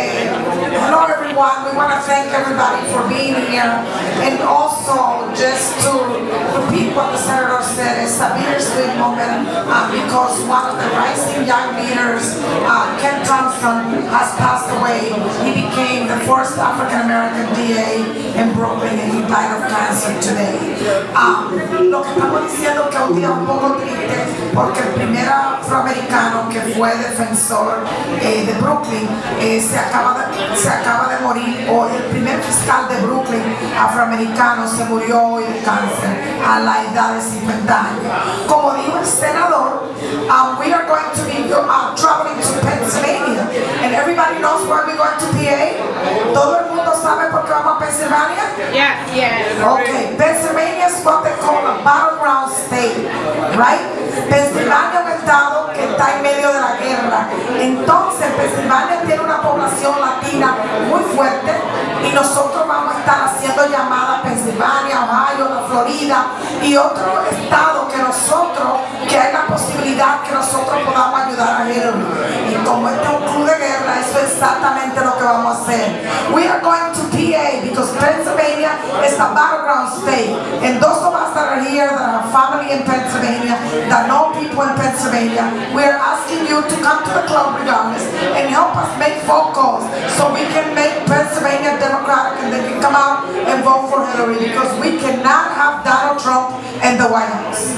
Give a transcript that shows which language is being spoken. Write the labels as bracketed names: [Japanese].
[English] We want to thank everybody for being here, and also just to repeat what the senator said, it's a bittersweet moment because one of the rising young leaders, Ken Thompson, has passed away. He became the first African-American DA in Brooklyn, and he died of cancer today. [Spanish] Lo que estamos diciendo que es un día un poco triste porque el primer afroamericano que fue defensor de Brooklyn se acaba de morir. O el primer fiscal de Brooklyn afroamericano se murió hoy de cáncer a la edad de 50 años. Como dijo el senador, [English] we are going to be traveling to Pennsylvania, and everybody knows where we're going to PA. [Spanish] Todo el mundo sabe por qué vamos a Pennsylvania. [English] Yeah, yeah. Okay, Pennsylvania is what they call a battleground state, right? [Spanish] Pennsylvania es un estado que está en medio de la guerra. Entonces, Pennsylvania tiene una población latina muy fuerte y nosotros vamos a estar haciendo llamadas a Pennsylvania, Ohio, la Florida y otro estado que nosotros, que hay la posibilidad que nosotros podamos ayudar a Hillary. Y como este es un club de guerra, eso es exactamente lo que vamos a hacer. [English] We are going to PA because Pennsylvania is a battleground state. And those of us that are here, that are family in Pennsylvania, that know people in Pennsylvania, we are asking you to come to the club regardless and help us make phone calls so we can make Pennsylvania Democratic and they can come out and vote for Hillary because we cannot have Donald Trump in the White House.